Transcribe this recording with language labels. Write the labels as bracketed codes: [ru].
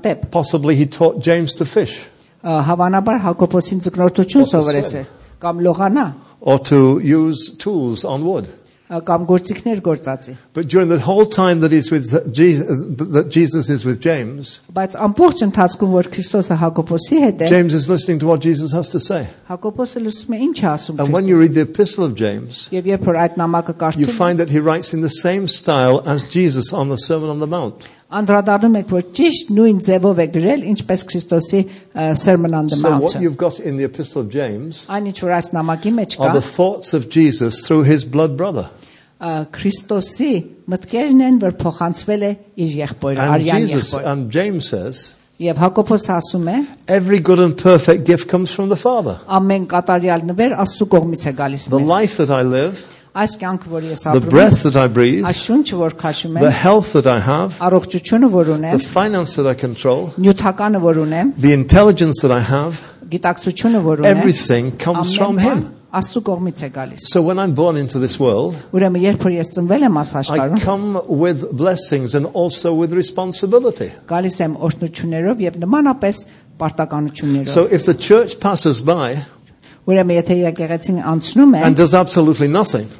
[en] Possibly he taught James to fish. [hy] Հավանաբար Հակոբոսին ձկնորդություն սովորեցե կամ լողանա [en] or to use tools on wood [hy] կամ գործիքներ գործածի [en] but during the whole time that he's with Jesus, that Jesus is with James [hy] բայց ամբողջ ընթացքում որ Քրիստոսը Հակոբոսի հետ է [en] James is listening to what Jesus has to say [hy] Հակոբոսը լսում է ինչ ասում [en] Քրիստոսը and when you read the epistle of James you find that he writes in the same style as Jesus on the Sermon on the Mount [hy] Անդրադառնում եք, որ ճիշտ նույն ձևով է գրել, ինչպես Քրիստոսի Sermon on the Mount. [en] So what you've got in the Epistle of James are the thoughts of Jesus through his blood brother. [hy] Քրիստոսի մտքերն են, որ փոխանցվել է իր եղբայրը, արյան եղբայրը. [en] And James says, [hy] Եվ Հակոբոսը ասում է. [en] Every good and perfect gift comes from the Father. [hy] Ամեն կատարյալ նվեր Աստծո կողմից է գալիս մեզ. [en] The life that I live [hy] Այս կյանքը, որ ես ապրում, [en] the breath that I breathe, [hy] այս շունչը, որ քաշում եմ, [en] the health that I have, [hy] առողջությունը, որ ունեմ, [en] the finance that I control, [hy] նյութականը, որ ունեմ, [en] the intelligence that I have, [hy] գիտակցությունը, որ ունեմ, [en] everything comes from him. [hy] Աստծո կողմից է գալիս. [en] So when I'm born into this world, [hy] ուրեմն երբ որ ես ծնվել եմ աս աշխարհում, [en] I come with blessings and also with responsibility. [hy] Գալիս եմ օրհնություններով եւ նմանապես պարտականություններով. [en] So if the church passes by, and does absolutely nothing.